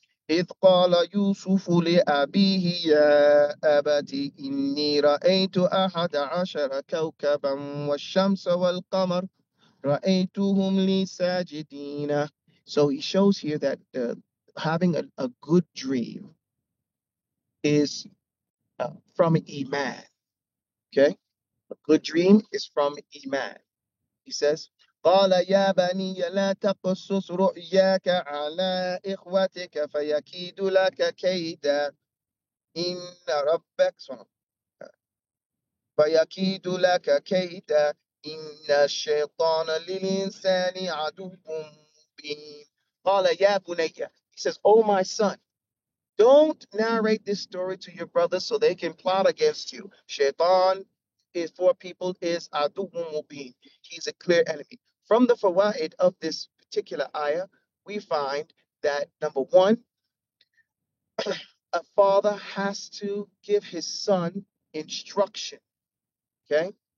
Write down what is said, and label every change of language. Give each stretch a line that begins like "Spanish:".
Arabic: إِذْ قَالَ يُوسُفُ لِأَبِيهِ يَا أَبَتِ إِنِّي رَأَيْتُ أَحَدَ عَشَرَ كَوْكَبًا وَالشَّمْسَ وَالْقَمَرَ رَأَيْتُهُمْ لِي سَاجِدِينَ.
English: So he shows here that having a good dream is from Iman. Okay? A good dream is from Iman. He says,
Arabic: قال يا بني لا تقصص رؤياك على إخوتك فيكيد لك كيدا إن ربك فيكيد لك كيدا إن الشيطان للإنسان عدو مبين. قال يا بني,
English: he says, oh my son, don't narrate this story to your brothers so they can plot against you. Shaitan is for people is
Arabic: عدو مبين.
English: He's a clear enemy. From the fawaid of this particular ayah, we find that, number one, a father has to give his son instruction, okay?